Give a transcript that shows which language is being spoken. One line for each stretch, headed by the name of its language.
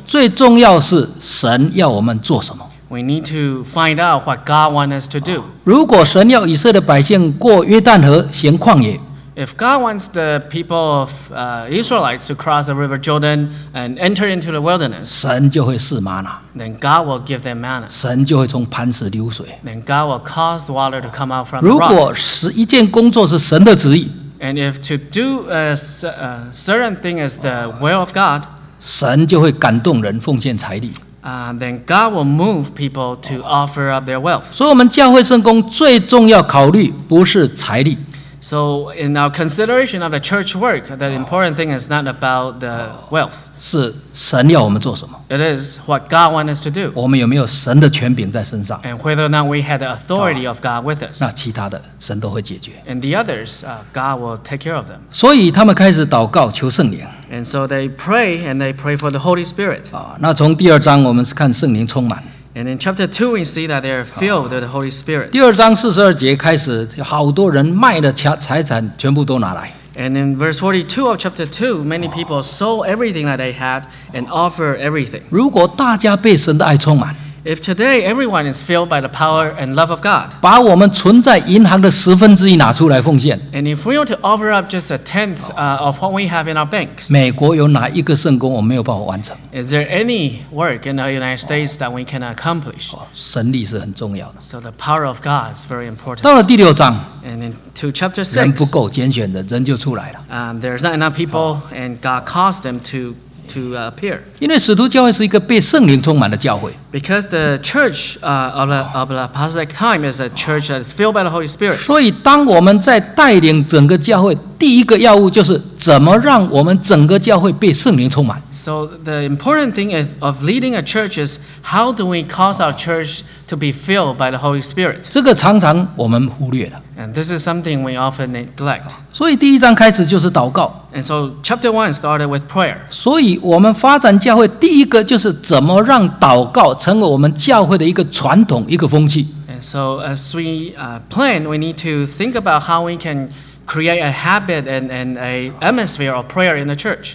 Chinese: 最重要是神要我们做什么。
English: We need to find out what God wants us to do.
Chinese: 如果神要以色列百姓过约旦河行旷野
English: ，If God wants the people of Israelites to cross the River Jordan and enter into the wilderness,
Chinese: 神就会赐玛纳
English: ，Then God will give them manna.
Chinese: 神就会从磐石流水
English: ，Then God will cause water to come out from the rock.
Chinese: 如果是一件工作是神的旨意
English: ，And if to do a certain thing is the will of God,
Chinese: 神就会感动人奉献财力。
English: Then God will move people to offer up their wealth.
Chinese: 所以我们教会圣工最重要考虑不是财力。
English: So in our consideration of the church work, the important thing is not about the wealth.
Chinese: 是神要我们做什么
English: ？It is what God wants us to do.
Chinese: 我们有没有神的权柄在身上
English: ？And whether or not we have the authority of God with us.
Chinese: 那其他的神都会解决。
English: And the others, God will take care of them.
Chinese: 所以他们开始祷告求圣灵。
English: And so they pray and they pray for the Holy Spirit.
Chinese: 那从第二章我们是看圣灵充满。
English: And in chapter 2, we see that they are filled with the Holy Spirit.
Chinese: 第二章四十二节开始，好多人卖了财产，全部都拿来。
English: And in verse 42 of chapter 2, many people sold everything that they had and offered everything.
Chinese: 如果大家被神的爱充满
English: ，If today everyone is filled by the power and love of God,
Chinese: 把我们存在银行的十分之一拿出来奉献
English: ，And if we were to offer up just a tenth of what we have in our banks,
Chinese: 美国有哪一个圣工我没有办法完成
English: ？Is there any work in the United States that we can accomplish？
Chinese: 神力是很重要的。
English: So the power of God is very important.
Chinese: 到了第六章
English: ，And in to chapter 6,
Chinese: 人不够拣选的人就出来了。
English: There's not enough people, and God caused them to. To appear.
Chinese: 因为使徒教会是一个被圣灵充满的教会。
English: Because the church of the apostolic time is a church that is filled by the Holy Spirit.
Chinese: 所以当我们在带领整个教会，第一个要务就是怎么让我们整个教会被圣灵充满。
English: So the important thing of leading a church is how do we cause our church to be filled by the Holy Spirit?
Chinese: 这个常常我们忽略了。
English: And this is something we often neglect.
Chinese: 所以第一章开始就是祷告。
English: And so chapter 1 started with prayer.
Chinese: 所以我们发展教会第一个就是怎么让祷告成为我们教会的一个传统一个风气。
English: And so as we plan, we need to think about how we can create a habit and a atmosphere of prayer in the church.